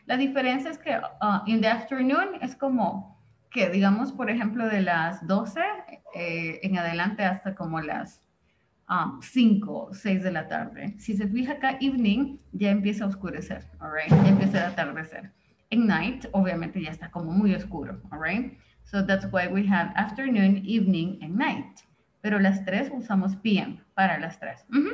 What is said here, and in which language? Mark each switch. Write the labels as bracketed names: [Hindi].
[Spanish] La diferencia es que [English] in the afternoon [Spanish] es como que digamos, por ejemplo, de las 12 en adelante hasta como las 5, 6 de la tarde. Si se fija acá, evening, ya empieza a oscurecer, [English] all right? [Spanish] Ya empieza a atardecer. En night, obviamente, ya está como muy oscuro, [English] all right? So that's why we have afternoon, evening, and night. [Spanish] Pero las tres usamos PM para las tres.